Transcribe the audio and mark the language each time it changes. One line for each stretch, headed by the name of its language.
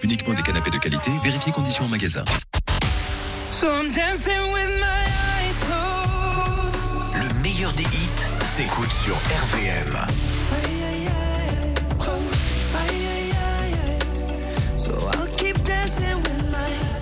French: Uniquement des canapés de qualité, vérifiez conditions en magasin.
English: So I'm dancing with my eyes closed.
French: Le meilleur des hits s'écoute sur RVM.
English: So I'll keep dancing with my